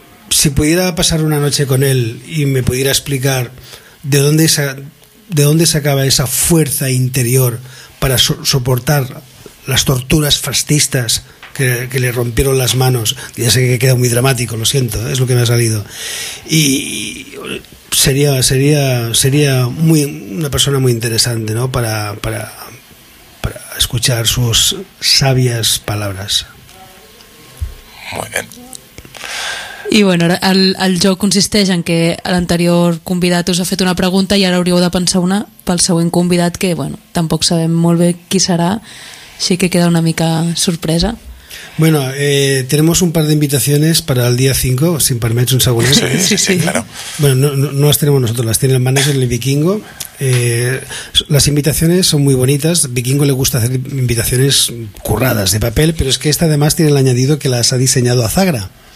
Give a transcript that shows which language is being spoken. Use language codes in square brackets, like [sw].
[es] Si pudiera pasar una noche con él y me pudiera explicar de dónde sacaba esa fuerza interior para soportar las torturas fascistas que le rompieron las manos. Ya sé que queda muy dramático, lo siento, es lo que me ha salido. Y sería muy una persona muy interesante, ¿no?, para escuchar sus sabias palabras. Muy bien. [ca] I bueno, el joc consisteix en que l'anterior convidat us ha fet una pregunta i ara hauríeu de pensar una pel següent convidat, que bueno, tampoc sabem molt bé qui serà. Sí que queda una mica sorpresa. [es] Bueno, tenemos un par de invitaciones para el día 5, si me permets un segon. Sí, sí, sí, claro. Bueno, no las tenemos nosotros, las tiene el manager, el Vikingo. Las invitaciones son muy bonitas. Vikingo le gusta hacer invitaciones curradas de papel, pero es que esta además tiene el añadido que las ha diseñado a Zagra.